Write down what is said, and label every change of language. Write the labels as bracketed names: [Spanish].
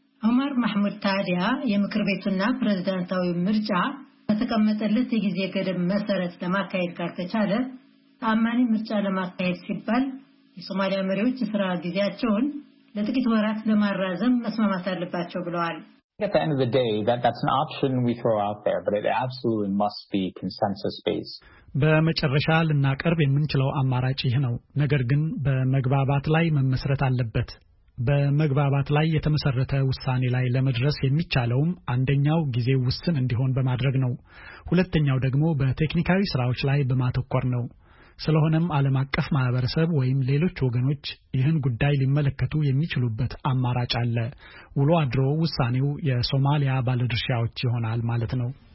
[Amharic] ኡማር ማህሙድ ታዲያ የምክር ቤቱና ፕሬዝዳንታዊ ምርጫ በተቀመጠለት የጊዜ ገደብ መሰረት ለማካሄድ ካልተቻለ ታማኒ ምርጫ ለማካሄድ ሲባል የሶማሊያ መሪዎች ስራ ጊዜያቸውን ለጥቂት ወራት ለማራዘም መስማማት አለባቸው ብለዋል። [English] At the end of the day, that's an option we throw out there, but it absolutely must be consensus-based. [Amharic] በመጨረሻ ልናቀርብ የምንችለው አማራጭ ይህ ነው። ነገር ግን በመግባባት ላይ መመስረት አለበት። በመግባባት ላይ የተመሰረተ ውሳኔ ላይ ለመድረስ የሚቻለውም አንደኛው ጊዜው ውስን እንዲሆን በማድረግ ነው። ሁለተኛው ደግሞ በቴክኒካዊ ስራዎች ላይ በማተኮር ነው። ስለሆነም ዓለም አቀፍ ማህበረሰብ ወይም ሌሎች ወገኖች ይህን ጉዳይ ሊመለከቱ የሚችሉበት አማራጭ አለ። ውሎ አድሮ ውሳኔው የሶማሊያ ባለድርሻዎች ይሆናል ማለት ነው።